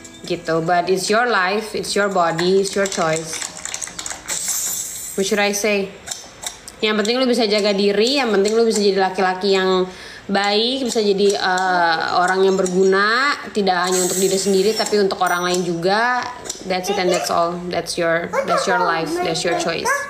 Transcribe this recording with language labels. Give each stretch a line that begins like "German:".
Indonesian: Gitu,
English: but it's your life, it's your body, it's your choice. What should I say?
Indonesian: Yang penting lu bisa jaga diri, yang penting lu bisa jadi laki-laki yang baik, bisa jadi orang yang berguna, tidak hanya untuk diri sendiri tapi untuk orang lain juga.
English: That's it and that's all. That's your life, that's your choice.